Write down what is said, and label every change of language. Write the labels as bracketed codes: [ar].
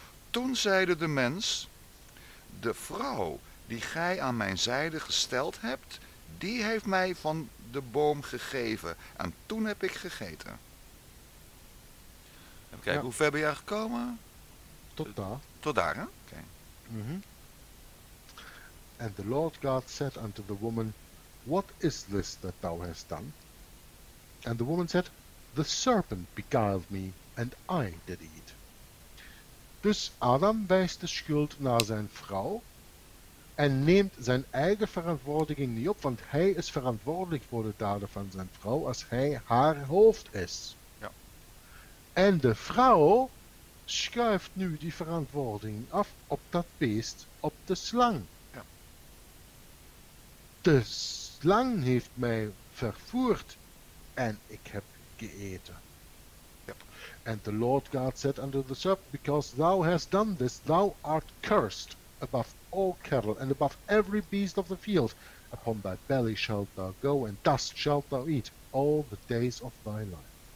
[nl] Toen zeide de mens, de vrouw die gij aan mijn zijde gesteld hebt, die heeft mij van de boom gegeven en toen heb ik gegeten. Even kijken, hoe ver ben je gekomen? Tot daar. Tot daar, hè? Okay. Mm-hmm. [en] And the Lord God said unto the woman, what is this that thou hast done? And the woman said, the serpent beguiled me, and I did eat. [nl] Dus Adam wijst de schuld naar zijn vrouw en neemt zijn eigen verantwoordiging niet op, want hij is verantwoordelijk voor de daden van zijn vrouw als hij haar hoofd is. En de vrouw schuift nu die verantwoording af op dat beest, op de slang. Ja. De slang heeft mij vervoerd en ik heb geëten. Ja. [en] And the Lord God said unto the serpent, because thou hast done this, thou art cursed above all cattle and above every beast of the field. Upon thy belly shalt thou go and dust shalt thou eat all the days of thy life.